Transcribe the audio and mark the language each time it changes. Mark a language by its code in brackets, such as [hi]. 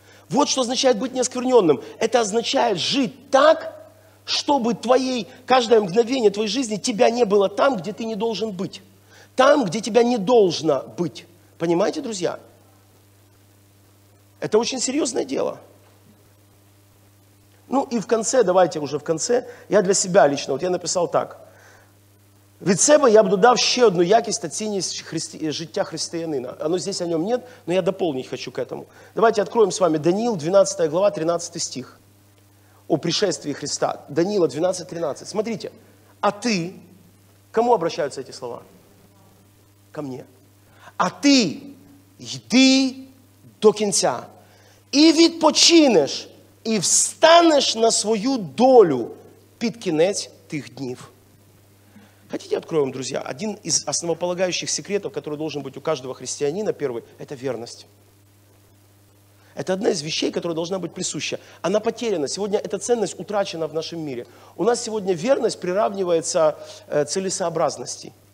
[ru] Вот что означает быть неоскверненным. Это означает жить так, чтобы твоей, каждое мгновение твоей жизни тебя не было там, где ты не должен быть. Там, где тебя не должно быть. Понимаете, друзья? Это очень серьезное дело. Ну и в конце, давайте уже в конце, я для себя лично, вот я написал так. [uk] «Від себе я б додав ще одну якість та цінність життя християнина». [ru] Оно здесь, о нем нет, но я дополнить хочу к этому. Давайте откроем с вами Даниил, 12 глава, 13 стих. О пришествии Христа. Даниила, 12, 13. Смотрите. «А ты...» Кому обращаются эти слова? «Ко мне». [uk] А ты йди до кінця і відпочинеш, і встанеш на свою долю під кінець тих днів. [ru] Хотите, открою вам, друзья, один из основополагающих секретов, который должен быть у каждого христианина, первый, это верность. Это одна из вещей, которая должна быть присуща. Она потеряна. Сегодня эта ценность утрачена в нашем мире. У нас сегодня верность приравнивается целесообразности.